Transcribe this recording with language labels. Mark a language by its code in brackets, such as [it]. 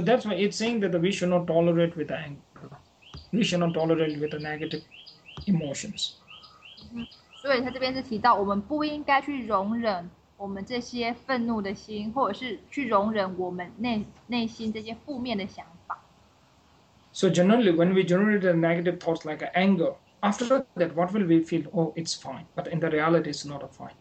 [en] that's why it's saying that we should not tolerate with the anger. We should not tolerate with the negative emotions. [zh] 所以他这边是提到，我们不应该去容忍我们这些愤怒的心，或者是去容忍我们内心这些负面的想法。So [en] generally, when we generate a negative thoughts like anger, after that, what will we feel? Oh, it's fine. But in the reality, it's not a fine.